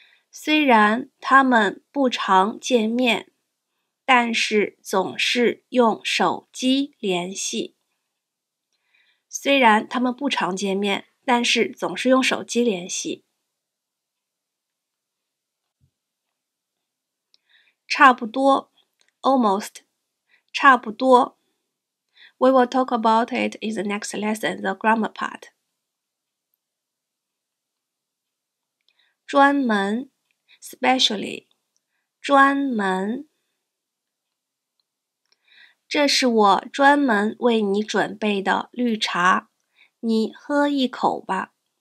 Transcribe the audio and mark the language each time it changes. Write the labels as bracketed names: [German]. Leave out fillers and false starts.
[Chinese] 虽然他们不常见面，但是总是用手机联系。虽然他们不常见面，但是总是用手机联系。差不多 , [English] almost, [Chinese] 差不多。 [English] We will talk about it in the next lesson, the grammar part. [Chinese] 专门 [English] Specially, [Chinese] 专门。这是我专门为你准备的绿茶，你喝一口吧。